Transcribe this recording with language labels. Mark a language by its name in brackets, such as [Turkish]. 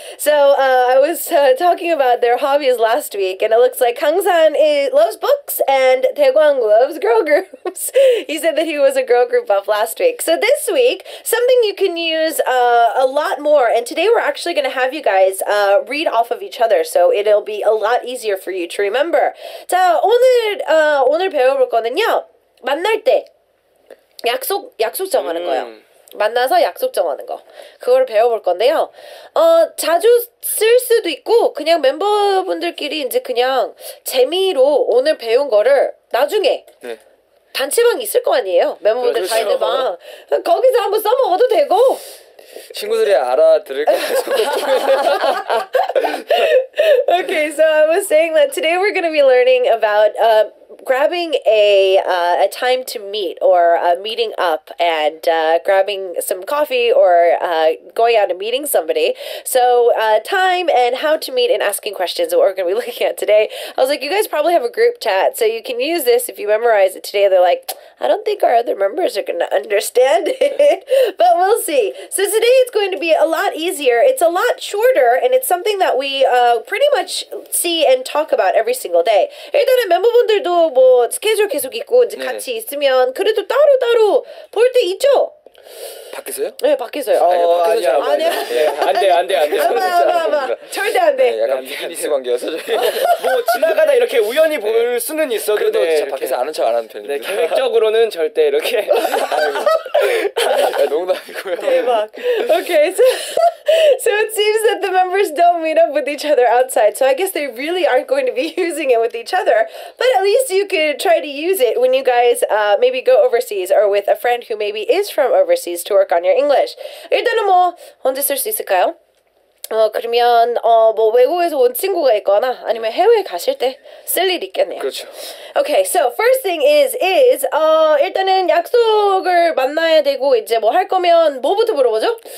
[English] So, I was talking about their hobbies last week, and it looks like Kangsan loves books, and Daekwang loves girl groups. He said that he was a girl group buff last week. So this week, something you can use a lot more, and today we're actually going to have you guys read off of each other, so it'll be a lot easier for you to remember. [Korean] 자, 오늘 배워볼 거는요. 만날 때 약속 정하는 거예요. 만나서 약속 정하는 거. 그거를 배워볼 건데요. 자주 쓸 수도 있고 그냥 멤버분들끼리 이제 그냥 재미로 오늘 배운 거를 나중에 네. 단체방 있을 거 아니에요. 멤버분들 다 있는 방. 거기서 한번 써먹어도 되고 친구들이 알아들을까 해서 [English] Okay, so I was saying that today we're going to be learning about grabbing a time to meet or meeting up and grabbing some coffee or going out and meeting somebody. So time and how to meet and asking questions is what we're going to be looking at today. I was like, you guys probably have a group chat, so you can use this if you memorize it today. They're like, I don't think our other members are going to understand it, but we'll see. So today it's going to be a lot easier. It's a lot shorter, and it's something that we pretty much see and talk about every single day. [Korean] 일단은 멤버분들도 뭐 스케줄 계속 있고 이제 네. 같이 있으면 그래도 따로 볼 때 있죠? 밖에서요? 네, 밖에서요. 아니야. 안 돼. 아마. 절대 안 돼. 네, 약간 비즈니스 관계여서 뭐 지나가다 이렇게 우연히 볼 네. 수는 있어도 그래도 네, 진짜 밖에서 아는 척 안 하는 편입니다. 네, 계획적으로는 절대 이렇게 야, 농담이고요. 대박. [English] Okay, so it seems that the members don't meet up with each other outside. So I guess they really aren't going to be using it with each other. But at least you could try to use it when you guys maybe go overseas or with a friend who maybe is from overseas to work on your English. [Korean] 일단은 뭐 언제 쓸 수 있을까요? 그러면 뭐 외국에서 온 친구가 있거나 아니면 해외 가실 때 쓸 일 있겠네요. 그렇죠. [English] Okay, so first thing is [Korean] 일단은 약속을 만나야 되고 이제 뭐 할 거면 뭐부터 물어보죠?